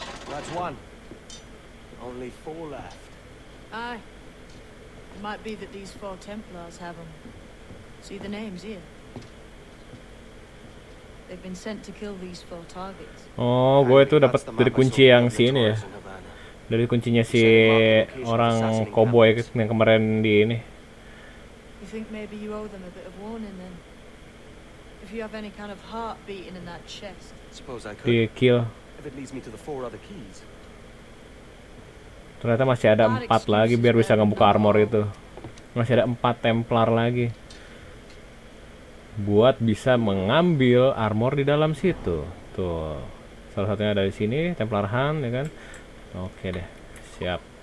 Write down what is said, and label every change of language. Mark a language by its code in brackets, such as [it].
[en] That's one. Only four left. Aye. It might be that these four Templars have them. See the names here. They've been sent to kill these four targets. [id] Oh, gue itu dapat dari kunci yang si ini ya. Dari kuncinya si orang koboy yang kemarin di ini. [en] You think maybe you owe them a bit of warning then? If you have any kind of heart beating in that chest. Suppose I could. Kill. If it leads me to the four other keys. [id] Ternyata masih ada 4 lagi biar bisa ngebuka armor itu. Masih ada 4 Templar lagi. Buat bisa mengambil armor di dalam situ. Tuh. Salah satunya ada di sini, Templar Hunt ya kan. Oke deh. Siap.